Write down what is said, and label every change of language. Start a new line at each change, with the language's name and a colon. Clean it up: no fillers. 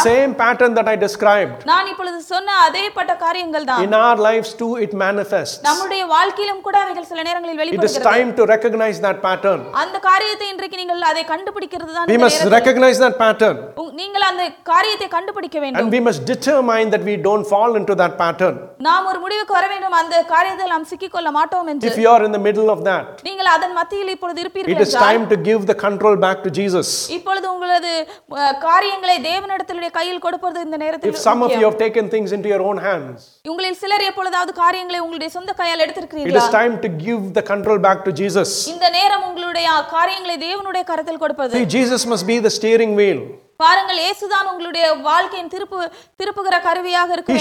English: The same pattern that I described.
Tamil: நான் இப்பொழுது சொன்ன அதேப்பட்ட காரியங்கள்தான்.
English: In our lives too it manifests.
Tamil: நம்முடைய வாழ்க்கையிலும் கூட அவைகள் சில நேரங்களில் வெளிப்படுகிறது.
English: It is time to recognize that pattern.
Tamil: அந்த காரியத்தை இன்றைக்கு நீங்கள் அதை கண்டுபிடிக்கிறது தான்
English: We must recognize that pattern.
Tamil: நீங்கள் அந்த காரியத்தை கண்டுபிடிக்க வேண்டும்.
English: And we must determine that we don't fall into that pattern.
Tamil: நாம் ஒரு முடிவுக்கு வர வேண்டும் அந்த காரியத்தில் நாம் சிக்கிக்கொள்ள மாட்டோம் என்று.
English: If you are in the middle of that
Tamil: நீங்கள் அதன் மத்தியில் இப்பொழுது இருப்பீர்கள் என்றால்
English: It is time to give the control back to Jesus.
Tamil: இப்பொழுது உங்களது காரியங்களை தேவனிடத்திலே கையில் கொடுப்பது இந்த நேரத்தில்
English: If some of you have taken things into your own hands.
Tamil: உங்களில் சிலர் எப்பொழுதாவது காரியங்களை உங்களுடைய சொந்த கையால் எடுத்திருக்கிறீர்களா
English: It is time to give the control back to Jesus.
Tamil: இந்த நேரம் உங்களுடைய காரியங்களை தேவனுடைய கரத்தில் கொடுப்பது
English: See, Jesus must be the steering wheel.
Tamil: பாருங்கள் இயேசுதான் உங்களுடைய வாழ்க்கையின் திருப்புகிற கருவியாக இருக்க வேண்டும்.